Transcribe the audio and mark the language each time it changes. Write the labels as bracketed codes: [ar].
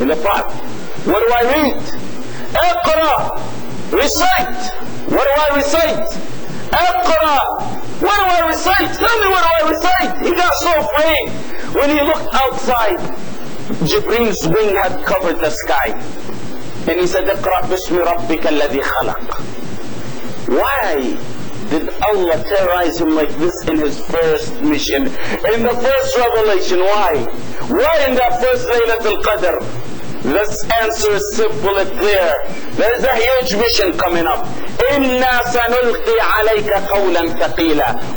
[en] In the Prophet, what do I read? Iqra, recite. What do I recite? Iqra. What do I recite? Tell me, what do I recite? He got so afraid. When he looked outside, Jibreel's wing had covered the sky. And he said, [ar] اقرأ بسم ربك الذي خلق. [en] Why did Allah terrorize him like this in his first mission? In the first revelation, why? Why in that first Laylatul Qadr? This answer is simple and clear. There is a huge mission coming up. [ar] إِنَّا سَنُلْقِي عَلَيْكَ قَوْلًا ثَقِيلًا.